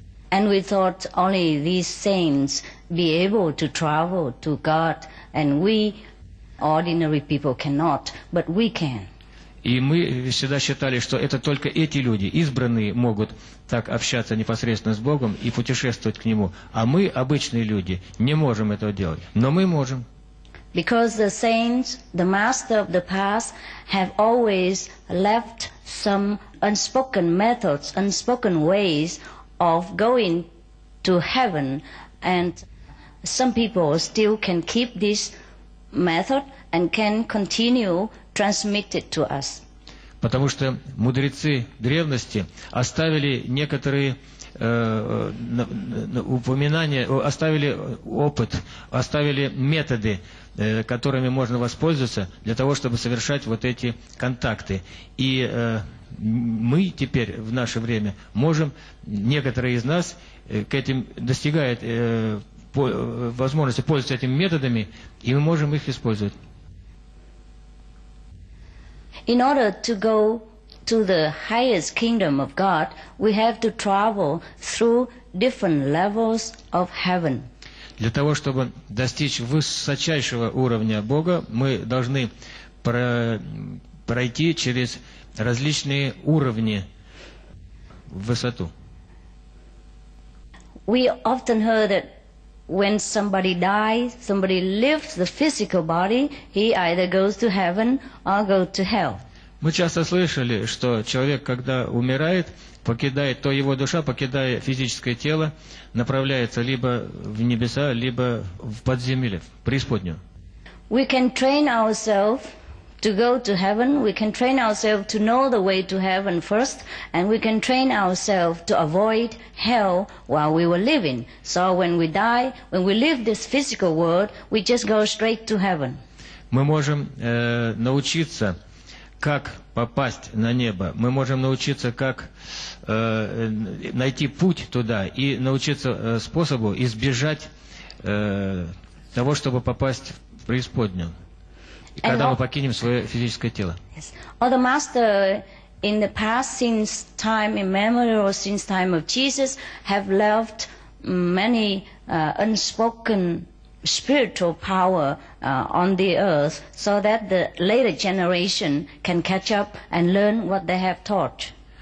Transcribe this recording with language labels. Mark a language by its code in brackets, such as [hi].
[en] And we thought only these saints be able to travel to God, and we ordinary people cannot, but we can. [ru] И мы всегда считали, что это только эти люди, избранные, могут так общаться непосредственно с Богом и путешествовать к Нему. А мы, обычные люди, не можем этого делать. Но мы можем. [en] Because the saints, the master of the past, have always left some unspoken methods, unspoken ways of going to heaven and some people still can keep this method and can continue transmit it to us. [ru] Потому что мудрецы древности оставили некоторые упоминания, оставили опыт, оставили методы, которыми можно воспользоваться для того, чтобы совершать вот эти контакты. И мы теперь в наше время можем, некоторые из нас к этим достигают возможности пользоваться этими методами, и мы можем их использовать. [en] In order to go to the highest kingdom of God, we have to travel through different levels of heaven. [ru] Для того, чтобы достичь высочайшего уровня Бога, мы должны пройти через различные уровни в высоту. [en] We often heard that when somebody dies, somebody leaves the physical body, he either goes to heaven or goes to hell. [ru] Мы часто слышали, что человек, когда умирает, покидает, то его душа, покидая физическое тело, направляется либо в небеса, либо в подземелье, в преисподнюю. [en] We can train ourselves to go to heaven, we can train ourselves to know the way to heaven first, and we can train ourselves to avoid hell while we were living. So when we die, when we leave this physical world, we just go straight to heaven. [ru] Мы можем научиться, как попасть на небо. Мы можем научиться, как найти путь туда и научиться способу избежать того, чтобы попасть в преисподнюю. И когда мы покинем свое физическое тело. [en] Yes. Or the Master in the past, since time immemorial, since time of Jesus, have left many unspoken spiritual power on the earth, so that the later generation can catch up and learn what they have taught.